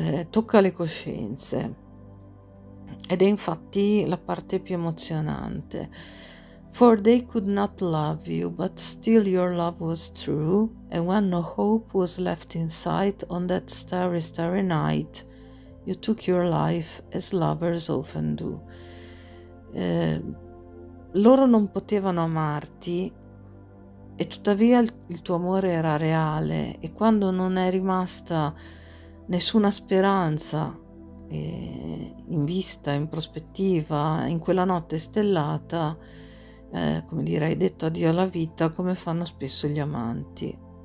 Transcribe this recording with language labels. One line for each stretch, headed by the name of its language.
Italian: Tocca le coscienze. Ed è infatti la parte più emozionante.
English: For they could not love you, but still your love was true, and when no hope was left in sight on that starry, starry night, you took your life as lovers often do.
Italian: Loro non potevano amarti, e tuttavia il tuo amore era reale, e quando non è rimasta nessuna speranza in vista, in prospettiva, in quella notte stellata, come dire, hai detto addio alla vita, come fanno spesso gli amanti.